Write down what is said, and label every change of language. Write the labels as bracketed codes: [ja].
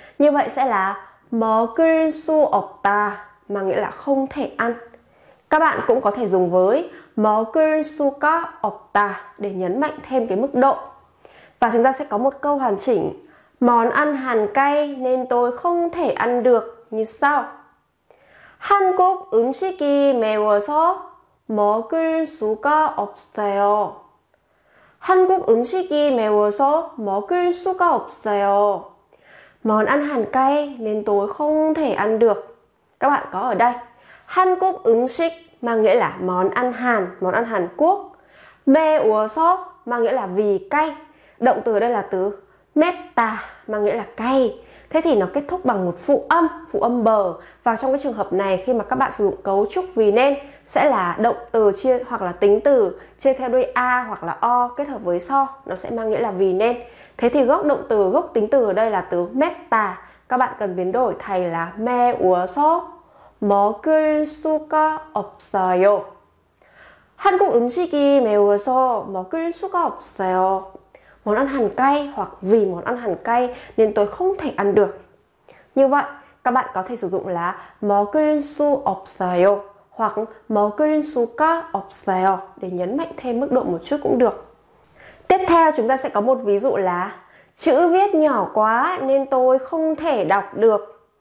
[vi] Như vậy sẽ là [ko] 먹을수 없다 [vi] mà nghĩa là không thể ăn. Các bạn cũng có thể dùng với [ko] 먹을수가 없다 [vi] để nhấn mạnh thêm cái mức độ. Và chúng ta sẽ có một câu hoàn chỉnh. Món ăn hàn cay nên tôi không thể ăn được như sau. [ko] 한국 음식이 매워서 먹을 수가 없어요. 한국 음식이 매워서 먹을 수가 없어요. [vi] Món ăn hàn cay nên tôi không thể ăn được. Các bạn có ở đây. [ko] 한국 음식 [vi] mang nghĩa là món ăn Hàn Quốc. 매워서 mang nghĩa là vì cay. Động từ đây là từ 맵다 mà nghĩa là cay. Thế thì nó kết thúc bằng một phụ âm bờ. Và trong cái trường hợp này khi mà các bạn sử dụng cấu trúc vì nên sẽ là động từ chia hoặc là tính từ chia theo đuôi A hoặc là O kết hợp với so, nó sẽ mang nghĩa là vì nên. Thế thì gốc động từ, gốc tính từ ở đây là từ 맵다. Các bạn cần biến đổi thành là [ko] 매워서 먹을 수가 없어요. 한국 음식이 매워서 먹을 수가 없어요. [vi] Món ăn hàn cay hoặc vì món ăn hàn cay nên tôi không thể ăn được. Như vậy, các bạn có thể sử dụng là [ko] 먹을 수 없어요 [vi] hoặc [ko] 먹을 수가 없어요 [vi] để nhấn mạnh thêm mức độ một chút cũng được. Tiếp theo chúng ta sẽ có một ví dụ là chữ viết nhỏ quá nên tôi không thể đọc được.